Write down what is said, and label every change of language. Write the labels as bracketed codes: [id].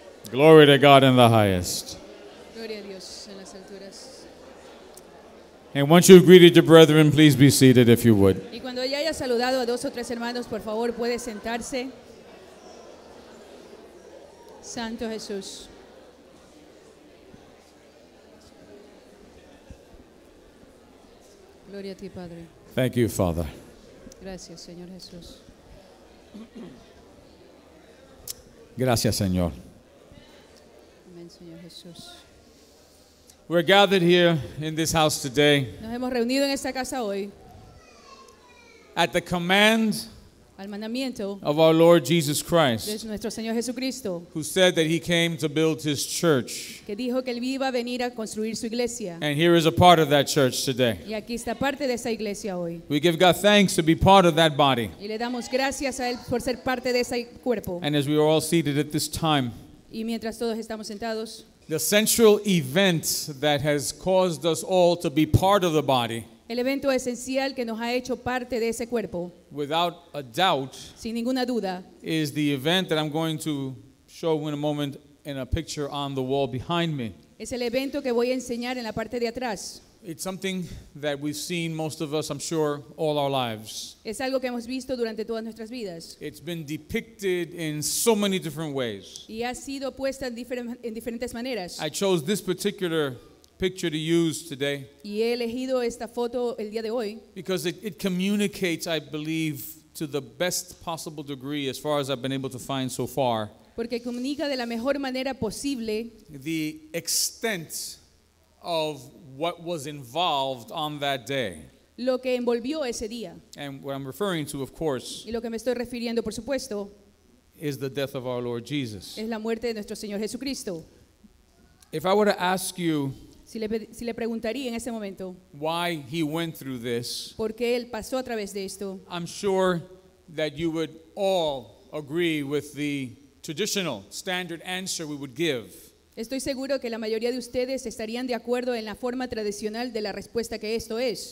[en] Glory to God in the highest. [es] Gloria a Dios en las alturas. [en] And once you've greeted your brethren, please be seated if you would. [es] Y cuando ya hayas saludado a dos o tres hermanos, por favor, puede sentarse. Santo Jesús. Gloria a ti, Padre. [en] Thank you, Father. [es] Gracias, Señor Jesús. Gracias, Señor. Amen, Señor Jesús. [en] We're gathered here in this house today. [es] Nos hemos reunido en esta casa hoy. [en] At the command [es] al mandamiento [en] of our Lord Jesus Christ, [es] de nuestro Señor Jesucristo, [en] who said that he came to build his church, [es] que dijo que él iba a venir a construir su iglesia. [en] And here is a part of that church today. [es] Y aquí está parte de esa iglesia hoy. [en] We give God thanks to be part of that body. [es] Y le damos gracias a él por ser parte de ese cuerpo. [en] And as we are all seated at this time, [es] y mientras todos estamos sentados, [en] the central event that has caused us all to be part of the body, [es] el evento esencial que nos ha hecho parte de ese cuerpo, [en] without a doubt, [es] sin ninguna duda, [en] is the event that I'm going to show in a moment in a picture on the wall behind me. [es] Es el evento que voy a enseñar en la parte de atrás. [en] It's something that we've seen, most of us, I'm sure, all our lives. [es] Es algo que hemos visto durante todas nuestras vidas. [en] It's been depicted in so many different ways. [es] Y ha sido puesta en diferentes maneras. [en] I chose this particular picture to use today. [es] Y he elegido esta foto el día de hoy. [en] Because it communicates, I believe, to the best possible degree, as far as I've been able to find so far, [es] porque comunica de la mejor manera posible [en] the extent of what was involved on that day. [es] Lo que envolvió ese día. [en] And what I'm referring to, of course, [es] y lo que me estoy refiriendo, por supuesto, [en] is the death of our Lord Jesus. [es] Es la muerte de nuestro Señor Jesucristo. [en] If I were to ask you, [es] si le preguntaría en ese momento, [en] why he went through this, [es] porque él pasó a través de esto, [en] I'm sure that you would all agree with the traditional standard answer we would give. [es] Estoy seguro que la mayoría de ustedes estarían de acuerdo en la forma tradicional de la respuesta que esto es.